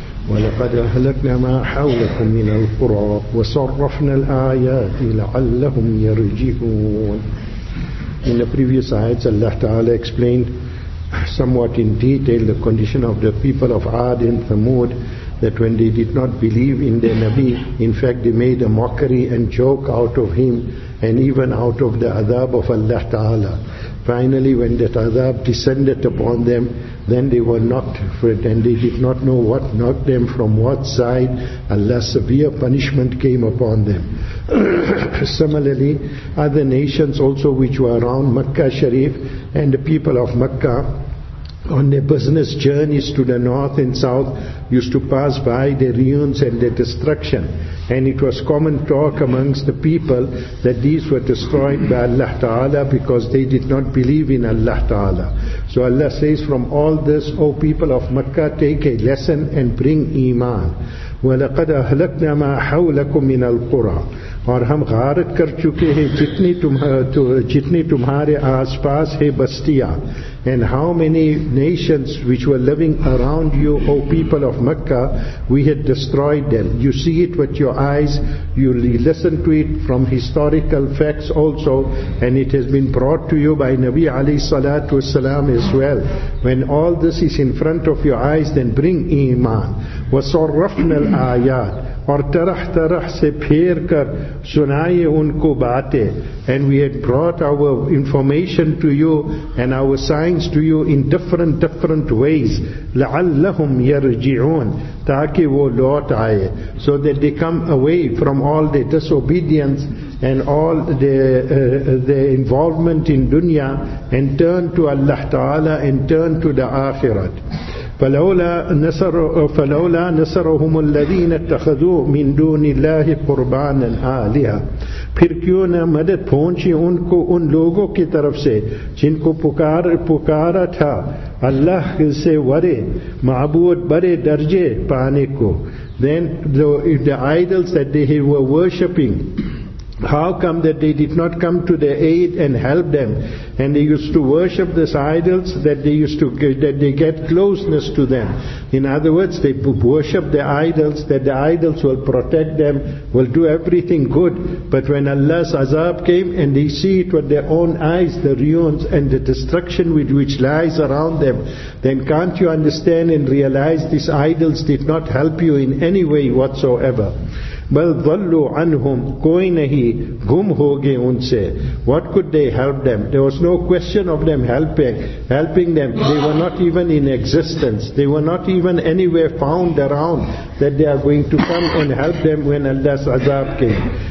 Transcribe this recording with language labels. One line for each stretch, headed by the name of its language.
Arabic: ولقد أهلكنا ما حولكم من القرى وصرفنا الآيات لعلهم يرجعون.
English: In the previous ayats, Allah Ta'ala explained somewhat in detail the condition of the people of Ad and Thamud, that when they did not believe in their Nabi, in fact they made a mockery and joke out of him and even out of the adab of Allah Ta'ala. Finally, when that adab descended upon them, then they were knocked for it, and they did not know what knocked them from what side. Allah's severe punishment came upon them. Similarly, other nations also which were around Makkah Sharif and the people of Makkah on their business journeys to the north and south used to pass by their ruins and their destruction. And it was common talk amongst the people that these were destroyed by Allah Ta'ala because they did not believe in Allah Ta'ala. So Allah says, from all this, O people of Makkah, take a lesson and bring Iman.
Arabic: وَلَقَدْ أَهْلَكْنَا مَا حَوْلَكُمْ مِنَ الْقُرَىٰ
Urdu: اور ہم غارت کر چکے ہیں جتنی تمہارے آس پاس ہے بستیاں.
English: And how many nations which were living around you, O people of Makkah, we had destroyed them. You see it with your eyes, you listen to it from historical facts also, and it has been brought to you by Nabi alayhi salatu wasalam as well. When all this is in front of your eyes, then bring iman.
Arabic: وَصَرَّفْنَا الْآيَاتِ
Urdu: اور طرح طرح سے پھیر کر سنائے ان کو باتیں.
English: And we had brought our information to you and our signs to you in different ways.
Arabic: لَعَلَّهُمْ يَرْجِعُونَ
Urdu: تاکہ وہ لوٹ آئے.
English: So that they come away from all their disobedience and all their involvement in dunya and turn to Allah Ta'ala and turn to the Akhirat.
Arabic: فَلَوْلَا نَصَرَهُمُ الَّذِينَ اتَّخَذُوا مِن دُونِ اللَّهِ قُرْبَانًا آلِهَةً
Urdu: پھر کیوں نہ مدد پہنچی ان کو ان لوگوں کی طرف سے جن کو پکارا تھا اللہ سے ورے معبود برے درجے پانے کو.
English: Then the idols that they were worshipping, how come that they did not come to their aid and help them? And they used to worship these idols that they get closeness to them. In other words, they worship the idols, that the idols will protect them, will do everything good. But when Allah's azab came and they see it with their own eyes, the ruins and the destruction with which lies around them, then can't you understand and realize these idols did not help you in any way whatsoever?
Arabic: بَلْ ظَلُّوا عَنْهُمْ
Urdu: کوئی نہیں گم ہوگے ان سے.
English: What could they help them? There was no question of them helping them. They were not even in existence. They were not even anywhere found around that they are going to come and help them when Allah's azab came.